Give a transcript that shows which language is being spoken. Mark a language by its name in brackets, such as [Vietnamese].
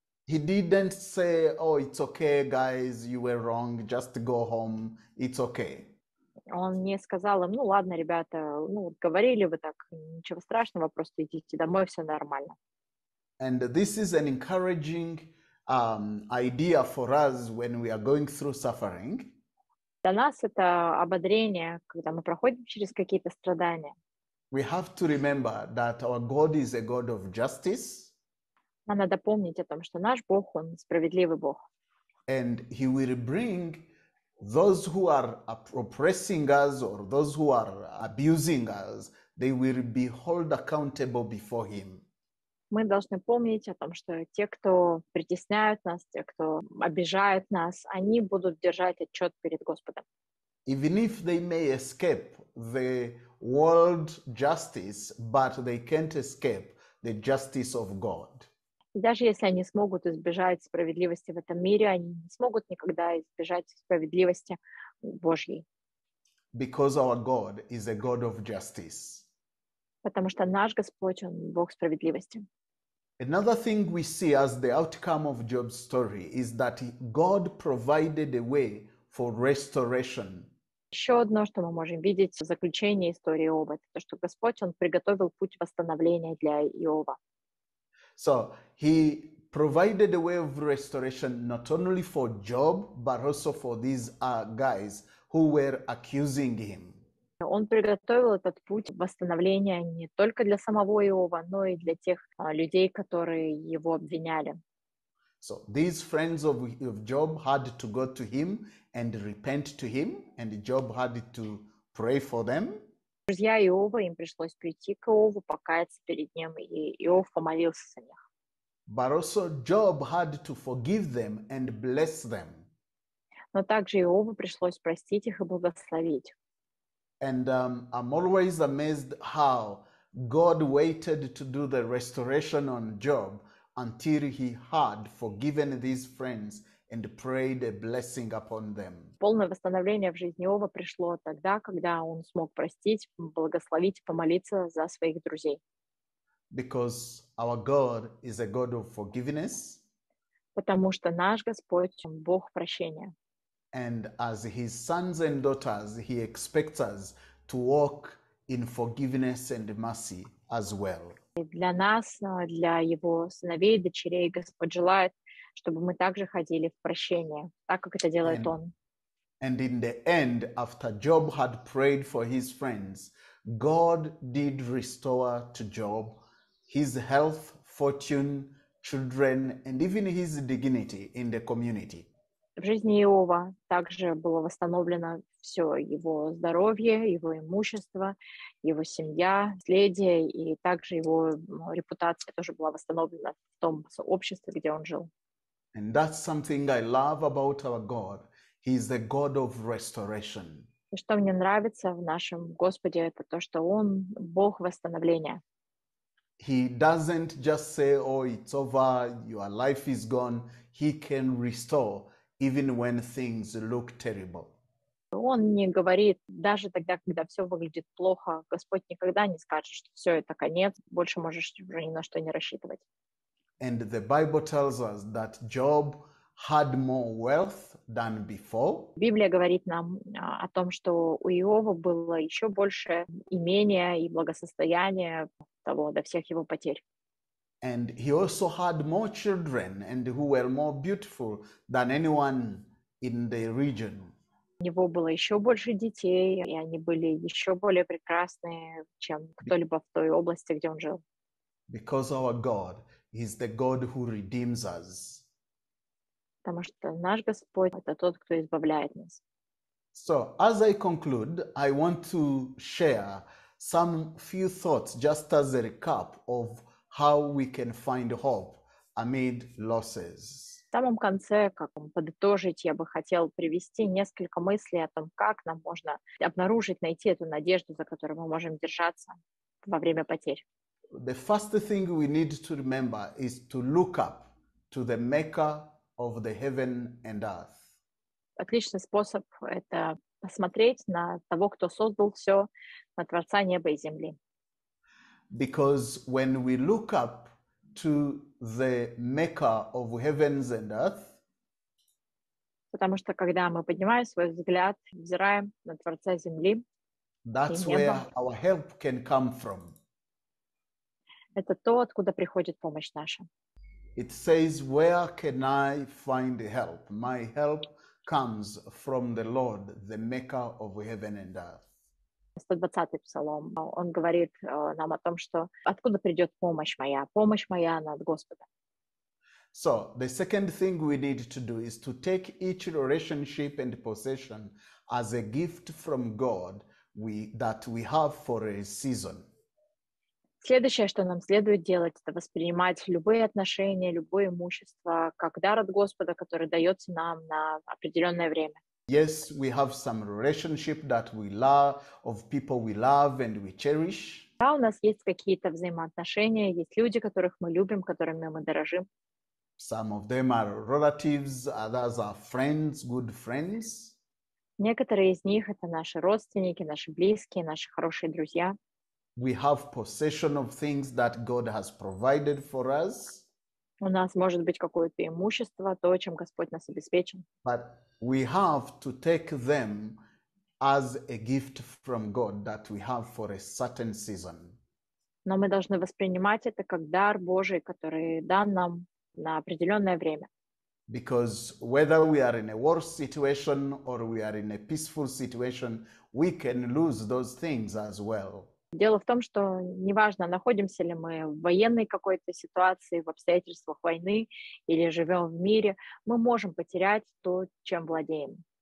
[English] He didn't say, "Oh, it's okay, guys, you were wrong. Just go home. It's okay." [Russian] Он не сказал им, ну ладно, ребята, ну говорили вы так, ничего страшного, просто идите домой, все нормально. [English] And this is an encouraging idea for us when we are going through suffering. [Russian] Для нас это ободрение, когда мы проходим через какие-то страдания. [English] We have to remember that our God is a God of justice. [Russian] Нам надо помнить о том, что наш Бог, Он справедливый Бог. [English] And He will bring those who are oppressing us or those who are abusing us, they will be held accountable before Him. [Russian] Мы должны помнить о том, что те, кто притесняют нас, те, кто обижают нас, они будут держать отчет перед Господом. [English] Even if they may escape the world justice, but they can't escape the justice of God. [Russian] Даже если они смогут избежать справедливости в этом мире, они не смогут никогда избежать справедливости Божьей. [English] Because our God is a God of justice. [Russian] Потому что наш Господь, Он Бог справедливости. [English] Another thing we see as the outcome of Job's story is that God provided a way for restoration. [Russian] Еще одно, что мы можем видеть в заключении истории Иова, это то, что Господь, Он приготовил путь восстановления для Иова. [English] So, He provided a way of restoration not only for Job, but also for these guys who were accusing him. [Russian] Он приготовил этот путь восстановления не только для самого Иова, но и для тех людей, которые его обвиняли. [English] So, these friends of Job had to go to him and repent to him, and Job had to pray for them. [Russian] Друзья Иова, им пришлось прийти к Иову, покаяться перед ним, и Иов помолился за них. [English] But also Job had to forgive them and bless them. [Russian] Но также Иову пришлось простить их и благословить. [English] And I'm always amazed how God waited to do the restoration on Job until he had forgiven these friends and prayed a blessing upon them. [Russian] Полное восстановление в жизни Иова пришло тогда, когда он смог простить, благословить, помолиться за своих друзей. [English] Because our God is a God of forgiveness. [Russian] Потому что наш Господь — Бог прощения. [English] And as His sons and daughters, He expects us to walk in forgiveness and mercy as well. [Russian] И для нас, для Его сыновей, дочерей, Господь желает, чтобы мы также ходили в прощение, так как это делает Он. [English] And in the end, after Job had prayed for his friends, God did restore to Job his health, fortune, children, and even his dignity in the community. [Russian] В жизни Иова также было восстановлено все его здоровье, его имущество, его семья, наследие, и также его репутация тоже была восстановлена в том сообществе, где он жил. [English] And that's something I love about our God. He is the God of restoration. [Russian] И что мне нравится в нашем Господе, это то, что Он — Бог восстановления. [English] He doesn't just say, oh, it's over, your life is gone. He can restore even when things look terrible. [Russian] Он не говорит, даже тогда, когда все выглядит плохо, Господь никогда не скажет, что все, это конец, больше можешь уже ни на что не рассчитывать. [English] And the Bible tells us that Job had more wealth than before. [Russian] Библия говорит нам о том, что у Иова было еще больше имения и благосостояния того до всех его потерь. [English] And he also had more children and who were more beautiful than anyone in the region. [Russian] У него было еще больше детей, и они были еще более прекрасные, чем кто-либо в той области, где он жил. [English] Because our God is the God who redeems us. [Russian] Потому что наш Господь — это тот, кто избавляет нас. [English] So, as I conclude, I want to share some few thoughts just as a recap of how we can find hope amid losses. [Russian] В самом конце, как подытожить, я бы хотел привести несколько мыслей о том, как нам можно обнаружить, найти эту надежду, за которую мы можем держаться во время потерь. [English] The first thing we need to remember is to look up to the Maker of the heaven and earth. [Russian] Отличный способ — это посмотреть на того, кто создал все, на Творца неба и земли. [English] Because when we look up to the Maker of heavens and earth, [Russian] потому что когда мы поднимаем свой взгляд, взираем на Творца земли, [English] that's [Russian] и неба, [English] where our help can come from. [Russian] Это то, откуда приходит помощь наша. [English] It says, where can I find help? My help comes from the Lord, the Maker of heaven and earth. [Russian] 120-й псалом. Он говорит нам о том, что откуда придет помощь моя? Помощь моя она от Господа. [English] So, the second thing we need to do is to take each relationship and possession as a gift from God that we have for a season. [Russian] Следующее, что нам следует делать, это воспринимать любые отношения, любое имущество как дар от Господа, который дается нам на определенное время. [English] Yes, we have some relationship that we love, of people we love and we cherish. [Russian] Да, у нас есть какие-то взаимоотношения, есть люди, которых мы любим, которыми мы дорожим. [English] Some of them are relatives, others are friends, good friends. [Russian] Некоторые из них — это наши родственники, наши близкие, наши хорошие друзья. [English] We have possession of things that God has provided for us. [Russian] У нас может быть какое-то имущество, то, чем Господь нас обеспечил. [English] But we have to take them as a gift from God that we have for a certain season. [Russian] Но мы должны воспринимать это как дар Божий, который дан нам на определенное время. [English] Because whether we are in a war situation or we are in a peaceful situation, we can lose those things as well. [Russian] Дело в том, что неважно, находимся ли мы в военной какой-то ситуации, в обстоятельствах войны, или живем в мире, мы можем потерять то, чем владеем.